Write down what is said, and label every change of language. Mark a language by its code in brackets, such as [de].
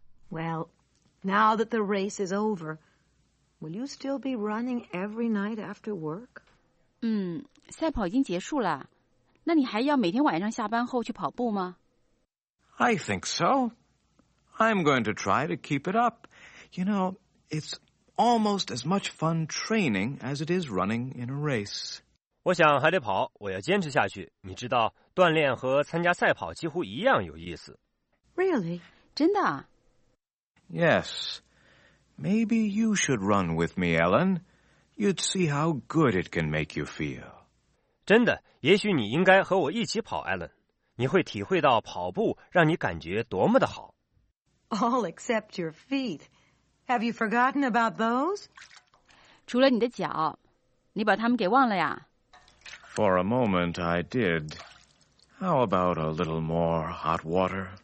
[en] Well, now that the race is over, will you still be running every night after work? [zh] 赛跑已经结束了，那你还要每天晚上下班后去跑步吗？ [en] I think so. I'm going to try to keep it up. You know, it'sAlmost as much fun training as it is running in a race. [zh] 我想还得跑，我要坚持下去。你知道，锻炼和参加赛跑几乎一样有意思。 [en] Really? [zh] 真的？ [en] Yes. Maybe you should run with me, Ellen. You'd see how good it can make you feel. [zh] 真的，也许你应该和我一起跑， Ellen. 你会体会到跑步让你感觉多么的好。 [en] All except your feet. Have you forgotten about those? [zh] 除了你的脚，你把它们给忘了呀？ [en] For a moment I did. How about a little more hot water?